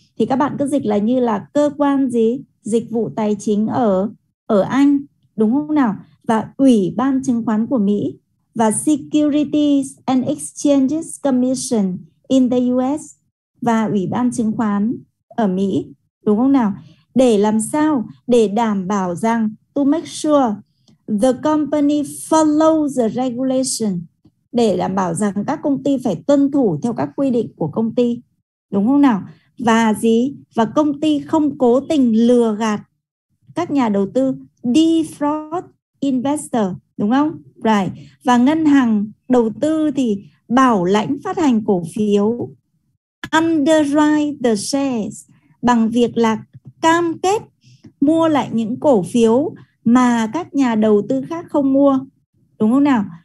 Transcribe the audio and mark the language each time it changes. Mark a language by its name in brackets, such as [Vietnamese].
[Vietnamese] Thì các bạn cứ dịch là như là cơ quan gì? Dịch vụ tài chính ở Anh, đúng không nào? Và Ủy ban chứng khoán của Mỹ và [English] Securities and Exchanges Commission in the US [Vietnamese] và Ủy ban chứng khoán ở Mỹ, đúng không nào? Để làm sao? Để đảm bảo rằng [English] to make sure the company follows the regulation. [Vietnamese] Để đảm bảo rằng các công ty phải tuân thủ theo các quy định của công ty, đúng không nào? Và gì? Và công ty không cố tình lừa gạt các nhà đầu tư, [English] defraud investor, [Vietnamese] đúng không? [English] Right. [Vietnamese] Và ngân hàng đầu tư thì bảo lãnh phát hành cổ phiếu, [English] underwrite the shares, [Vietnamese] bằng việc là cam kết mua lại những cổ phiếu mà các nhà đầu tư khác không mua, đúng không nào?